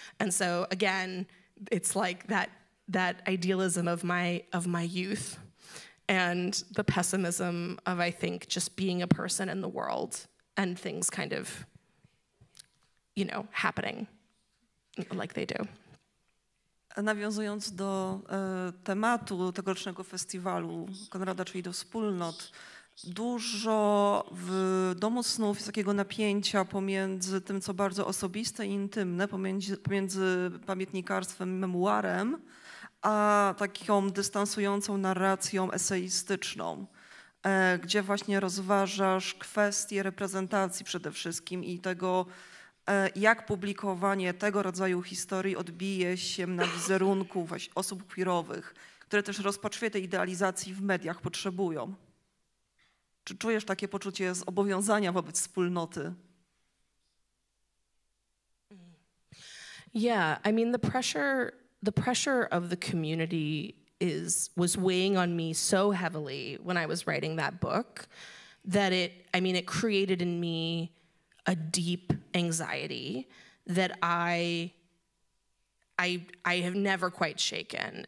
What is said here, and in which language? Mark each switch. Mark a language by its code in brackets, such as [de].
[en] And so again, it's like that idealism of my youth and the pessimism of, I think, just being a person in the world and things kind of, you know, happening like they do. [pl] Nawiązując do tematu tegorocznego festiwalu Konrada, czyli do wspólnot, dużo w Domu Snów jest takiego napięcia pomiędzy tym, co bardzo osobiste i intymne, pomiędzy pamiętnikarstwem i memuarem, a taką dystansującą narracją eseistyczną, gdzie właśnie rozważasz kwestie reprezentacji przede wszystkim i tego, jak publikowanie tego rodzaju historii odbije się na wizerunku właśnie osób queerowych, które też rozpaczliwie tej idealizacji w mediach potrzebują. Czy czujesz takie poczucie zobowiązania wobec wspólnoty? [en] Yeah, I mean the pressure of the community was weighing on me so heavily when I was writing that book that it created in me a deep anxiety that I have never quite shaken.